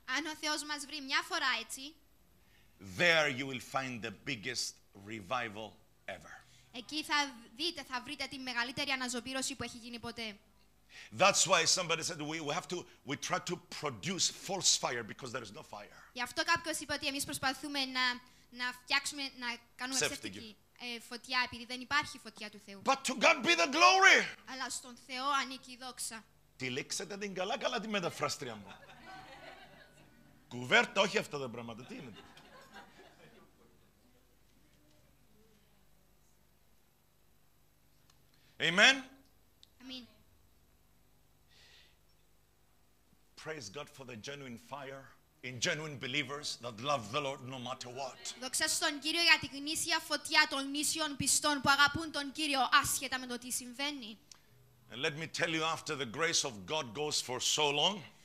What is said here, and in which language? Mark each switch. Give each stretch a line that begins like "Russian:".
Greek: αν ο Θεός μας βρει μια φορά έτσι,
English: there you will find the biggest revival ever.
Greek: Εκεί θα δείτε, θα βρείτε τη μεγαλύτερη αναζωπήρωση που έχει γίνει ποτέ.
English: That's why somebody said we try to produce false fire because there is no fire.
Greek: Γι' αυτό κάποιος είπε ότι εμείς προσπαθούμε να φτιάξουμε, να κάνουμε ψεύτικη φωτιά επειδή δεν υπάρχει φωτιά του Θεού.
English: But to God be the glory.
Greek: Αλλά στον Θεό ανήκει η δόξα. Τυλίξετε την καλά καλά τη μεταφραστρία μου. Κουβέρτα, όχι αυτά τα πράγματα. Τι είναι.
English: Amen. Amen. Praise God for the genuine fire in genuine believers that love the Lord no matter what.
Greek: Δόξα στον Κύριο για την γνήσια φωτιά των γνήσιων πιστών που αγαπούν τον Κύριο άσχετα με το τι συμβαίνει.
English: And let me tell you, after the grace of God goes for so long,